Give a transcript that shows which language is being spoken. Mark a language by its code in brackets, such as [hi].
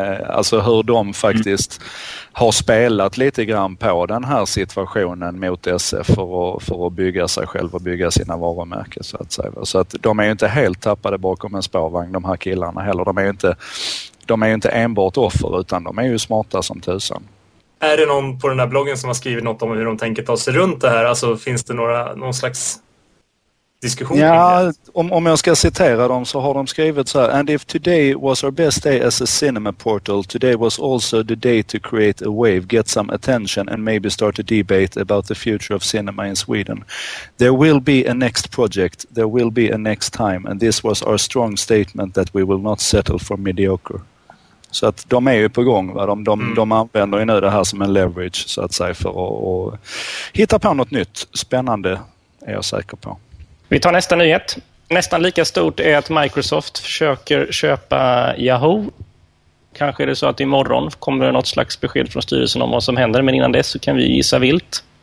[sv] Alltså hur de faktiskt har spelat lite grann på den här situationen mot SF för att bygga sig själv och bygga sina varumärken, så att säga. Så att de är ju inte helt tappade bakom en spårvagn, de här killarna heller. De är ju inte enbart offer, utan de är ju smarta som tusan. Är det någon på den här bloggen som har skrivit något om hur de tänker ta sig runt det här? Alltså, finns det någon slags diskussion? Ja, om jag ska citera dem så har de skrivit så här: [en] "And if today was our best day as a cinema portal, today was also the day to create a wave, get some attention and maybe start a debate about the future of cinema in Sweden. There will be a next project, there will be a next time, and this was our strong statement that we will not settle for mediocre." [sv] Så att de är ju på gång, va? De använder ju nu det här som en leverage, så att säga, för att hitta på något nytt. Spännande är jag säker på. Vi tar nästa nyhet. Nästan lika stort är att Microsoft försöker köpa Yahoo. Kanske är det så att imorgon kommer det något slags besked från styrelsen om vad som händer, men innan dess så kan vi gissa vilt.